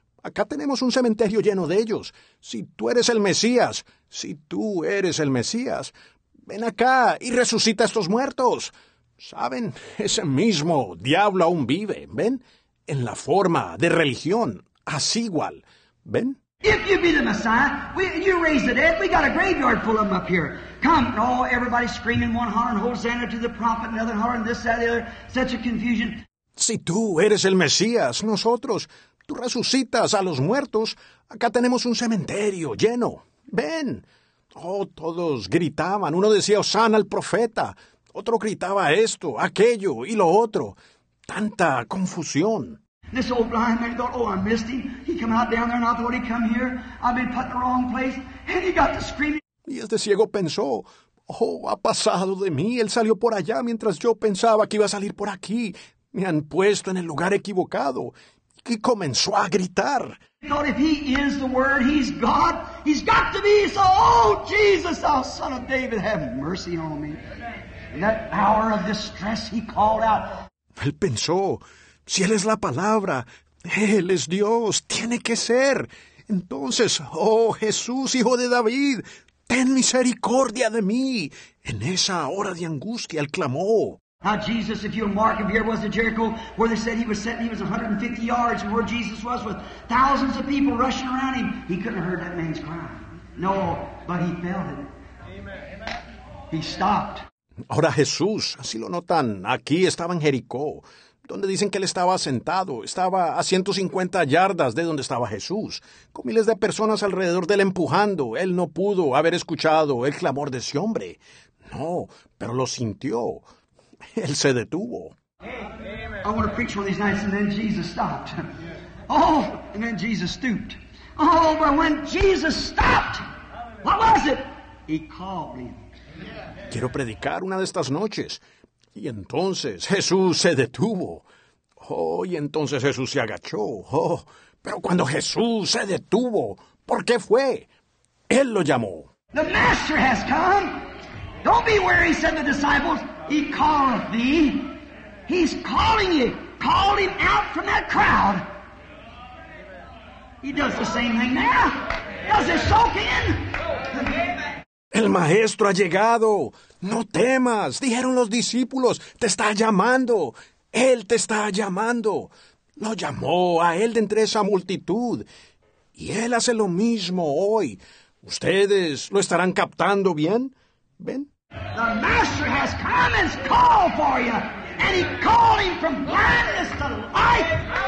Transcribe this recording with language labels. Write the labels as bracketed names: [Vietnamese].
[Spanish] Acá tenemos un cementerio lleno de ellos. Si tú eres el Mesías, ven acá y resucita a estos muertos. ¿Saben? Ese mismo diablo aún vive, ¿ven? En la forma de religión, así igual, ¿ven? [English] If you be the Messiah, you raise the dead. We got a graveyard full of them up here. Come, and all everybody screaming, one hollering Hosanna to the prophet, another hollering this, that, the other. Such a confusion. [Spanish] Si tú eres el Mesías, nosotros, tú resucitas a los muertos. Acá tenemos un cementerio lleno. Ven. Oh, todos gritaban. Uno decía, Hosanna al profeta. Otro gritaba esto, aquello y lo otro. Tanta confusión. [English] This old blind man thought, "Oh, I missed him. He come out down there, and I thought he come here. I've been put in the wrong place." And he got to screaming. [Spanish] Y este ciego pensó, "Oh, ha pasado de mí. Él salió por allá mientras yo pensaba que iba a salir por aquí. Me han puesto en el lugar equivocado." Y comenzó a gritar. [English] He thought, "If he is the Word, he's God. He's got to be. So, oh, Jesus, thou Son of David, have mercy on me." In that hour of distress, he called out. [Spanish] Él pensó, "Si Él es la Palabra, Él es Dios, tiene que ser. Entonces, oh Jesús, Hijo de David, ten misericordia de mí." En esa hora de angustia, Él clamó. [English] Now Jesus, if you'll mark him, here was the Jericho, where they said he was sitting, he was 150 yards from where Jesus was, with thousands of people rushing around him. He couldn't have heard that man's cry. No, but he felt it. He stopped. [Spanish] Ahora Jesús, así lo notan, aquí estaba en Jericó, donde dicen que él estaba sentado. Estaba a 150 yardas de donde estaba Jesús, con miles de personas alrededor de él empujando. Él no pudo haber escuchado el clamor de ese hombre. No, pero lo sintió. Él se detuvo. [English] I want to preach one of these nights, and then Jesus stopped. Oh, and then Jesus stooped. Oh, but when Jesus stopped, what was it? He called me. [Spanish] Quiero predicar una de estas noches. Y entonces Jesús se detuvo. Oh, y entonces Jesús se agachó. Oh, pero cuando Jesús se detuvo, ¿por qué fue? Él lo llamó. [English] The Master has come. Don't be weary, said the disciples. He calleth thee. He's calling you. Call him out from that crowd. He does the same thing now. Does it soak in? [Spanish] El Maestro ha llegado. No temas, dijeron los discípulos. Te está llamando. Él te está llamando. Lo llamó a él de entre esa multitud. Y él hace lo mismo hoy. ¿Ustedes lo estarán captando bien? ¿Ven? [English] The Master has come and called for you. And he called him from blindness to life.